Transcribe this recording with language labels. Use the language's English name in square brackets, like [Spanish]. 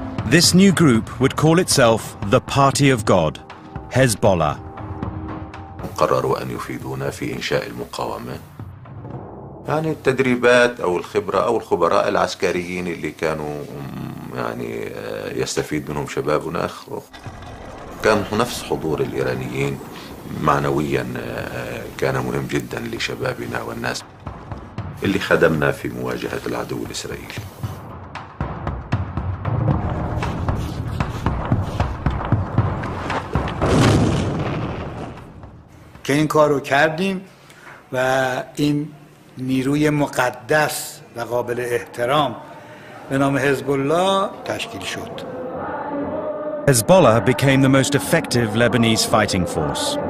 [English] This new group would call itself the Party of God, Hezbollah. [Arabic] قرروا أن يفيدونا في إنشاء المقاومة يعني التدريبات أو الخبرة أو الخبراء العسكريين اللي كانوا يعني يستفيد منهم شبابنا أخر. كان نفس حضور الإيرانيين معنويا كان مهم جدا لشبابنا والناس اللي خدمنا في مواجهة العدو الإسرائيلي. [Persian] که این کارو کردیم و این نیروی مقدس و قابل احترام به نام حزب الله تشکیل شد. [English] Hezbollah became the most effective Lebanese fighting force.